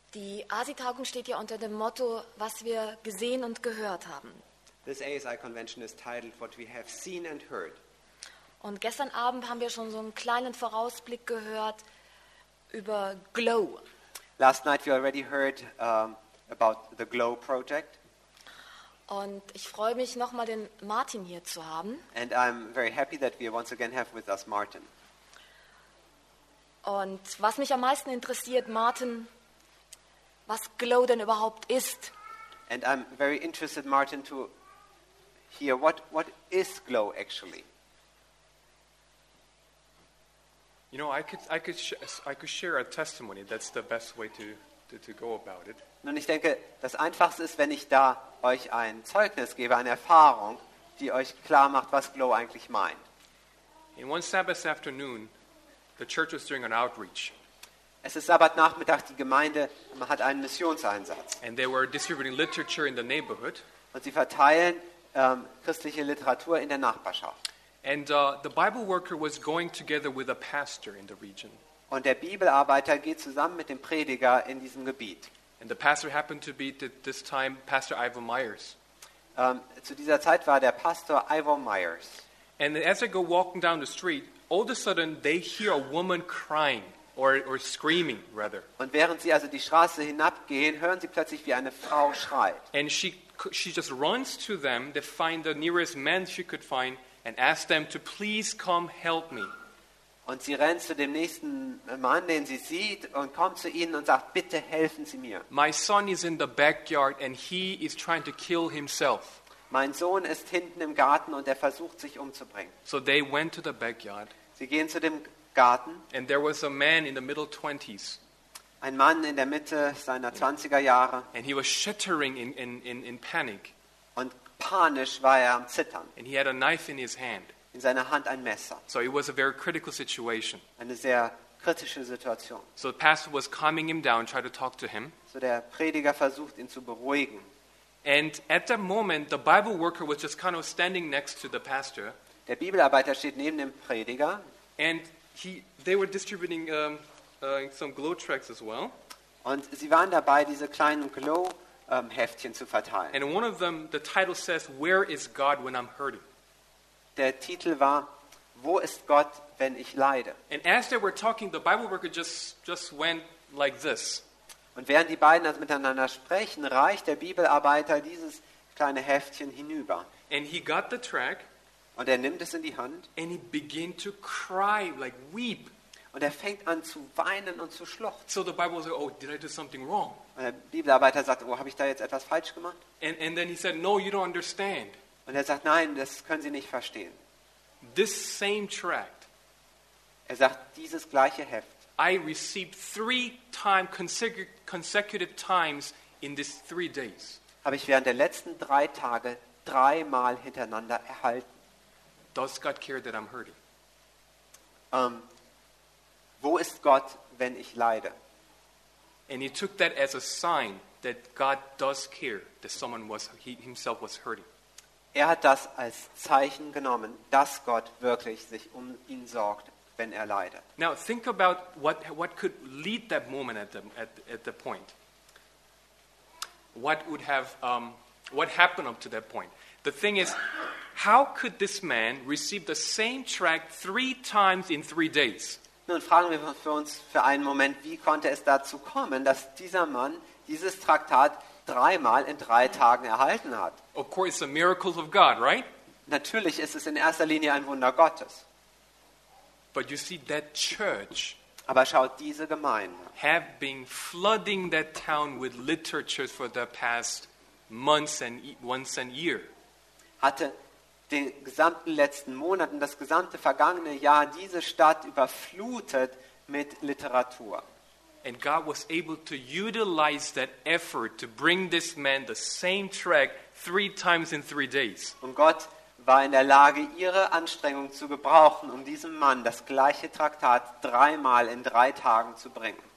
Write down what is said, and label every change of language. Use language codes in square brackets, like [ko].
[de] Die ASI-Tagung steht ja unter dem Motto, was wir gesehen und gehört haben. [en] This ASI convention is titled What We Have Seen and Heard. [de] Und gestern Abend haben wir schon so einen kleinen Vorausblick gehört über GLOW. [en] Last night we already heard about the GLOW project. [de] Und ich freue mich nochmal den Martin hier zu haben. [en] And I'm very happy that we once again have with us Martin. [de] Und was mich am meisten interessiert, Martin, was GLOW denn überhaupt ist. [en] And I'm very interested, Martin, to hear what is GLOW actually. You know, I could share a testimony. That's the best way to go about it. [de] Nun, ich denke, das Einfachste ist, wenn ich da euch ein Zeugnis gebe, eine Erfahrung, die euch klar macht, was GLOW eigentlich meint. [en] In one Sabbath afternoon, the church was doing an outreach. [de] Es ist Sabbatnachmittag, die Gemeinde hat einen Missionseinsatz. [en] And they were distributing literature in the neighborhood. [de] Und sie verteilen christliche Literatur in der Nachbarschaft. [en] And the Bible worker was going together with a pastor in the region. [de] Und der Bibelarbeiter geht zusammen mit dem Prediger in diesem Gebiet. [en] And the pastor happened to be this time Pastor Ivo Myers. [de] Zu dieser Zeit war der Pastor Ivo Myers. [en] And as they go walking down the street, all of a sudden they hear a woman crying or screaming rather. [de] Und während sie also die Straße hinabgehen, hören sie plötzlich, wie eine Frau schreit. [en] And she just runs to them to find the nearest man she could find and ask them to please come help me. [de] Und sie rennt zu dem nächsten Mann, den sie sieht, und kommt zu ihnen und sagt, bitte helfen Sie mir. [en] My son is in the backyard and he is trying to kill himself. [de] Mein Sohn ist hinten im Garten und er versucht, sich umzubringen. [en] So they went to the backyard. [de] Sie gehen zu dem Garten. [en] And there was a man in the middle 20s. [de] Ein Mann in der Mitte seiner 20er Jahre. [en] And he was shattering in panic. [de] Und panisch war er am Zittern. [en] And he had a knife in his hand. [de] In seiner Hand ein Messer. [en] So it was a very critical situation. [de] Eine sehr kritische Situation. [en] So the pastor was calming him down, trying to talk to him. [de] So der Prediger versucht, ihn zu beruhigen. [en] And at that moment, the Bible worker was just kind of standing next to the pastor. [de] Der Bibelarbeiter steht neben dem Prediger. [en] And they were distributing some GLOW tracts as well. [de] Und sie waren dabei, diese kleinen GLOW Heftchen zu verteilen. [en] And one of them, the title says, "Where is God when I'm hurting?" [de] Der Titel war, wo ist Gott, wenn ich leide? [en] And as they were talking, the Bible worker just went like this. [de] Und während die beiden also miteinander sprechen, reicht der Bibelarbeiter dieses kleine Heftchen hinüber. [en] And he got the track. [de] Und er nimmt es in die Hand. [en] And he began to cry, like weep. [de] Und er fängt an zu weinen und zu schluchzen. [en] So the Bible says, oh, did I do something wrong? [de] Und der Bibelarbeiter sagt, oh, habe ich da jetzt etwas falsch gemacht? [en] And then he said, no, you don't understand. [de] Und er sagt, nein, das können Sie nicht verstehen. [en] This same tract. [de] Er sagt, dieses gleiche Heft. [en] I received 3 times consecutive times in these 3 days. [de] Habe ich während der letzten 3 Tage 3 Mal hintereinander erhalten. [en] Does God care that I'm hurting? [de] Wo ist Gott, wenn ich leide? [en] And he took that as a sign that God does care that someone was he himself was hurting. [de] Er hat das als Zeichen genommen, dass Gott wirklich sich um ihn sorgt, wenn er leidet. [en] Now think about what could lead that moment at the point. What would have what happened up to that point? The thing is, how could this man receive the same tract 3 times in 3 days? [de] Nun fragen wir uns für einen Moment, wie konnte es dazu kommen, dass dieser Mann dieses Traktat 3 Mal in 3 Tagen erhalten hat. [en] Of course, it's a miracle of God, right? [de] Natürlich ist es in erster Linie ein Wunder Gottes. [en] But you see, that church. [de] Aber schaut, diese Gemeinde. [en] Have been flooding that town with literature for the past months and year. [de] Hatte den gesamten letzten Monaten, das gesamte vergangene Jahr diese Stadt überflutet mit Literatur. [en] And God was able to utilize that effort to bring this man the same track 3 times in 3 days. [de] Und Gott war in der Lage, ihre Anstrengung zu gebrauchen, um diesem Mann das gleiche Traktat 3 Mal in 3 Tagen zu bringen.